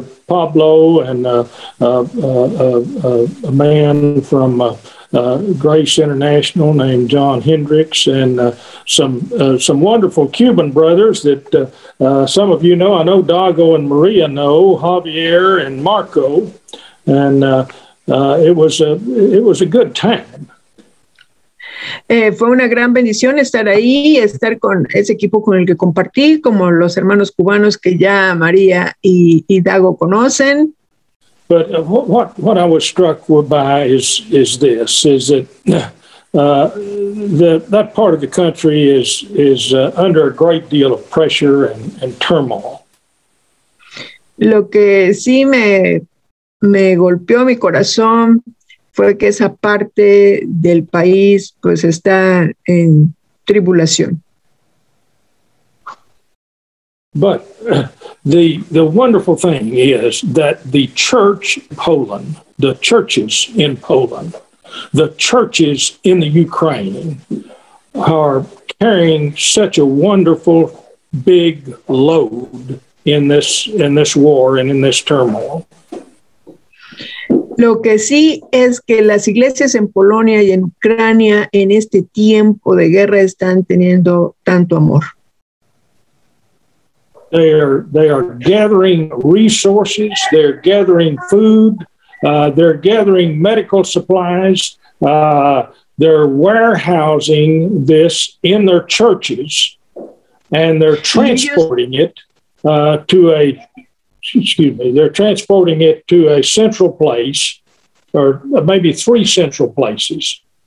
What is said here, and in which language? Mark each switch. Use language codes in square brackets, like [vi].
[en] Pablo and a man from Grace International named John Hendricks, and some wonderful Cuban brothers that some of you know. I know Dago and Maria know, Javier and Marco, and it was a good time. [es] Fue una gran bendición estar ahí, estar con ese equipo con el que compartí, como los hermanos cubanos que ya María y Dago conocen. [en] But what I was struck by is this, that part of the country is under a great deal of pressure and turmoil. [es] Lo que sí me me golpeó mi corazón fue que esa parte del país pues está en tribulación. [en] But the wonderful thing is that the church in Poland, the churches in Poland, the churches in the Ukraine are carrying such a wonderful big load in this war and in this turmoil. [es] Lo que sí es que las iglesias en Polonia y en Ucrania en este tiempo de guerra están teniendo tanto amor. [en] They are gathering resources, they're gathering food, they're gathering medical supplies, they're warehousing this in their churches, and they're transporting it to a central place, or maybe three central places.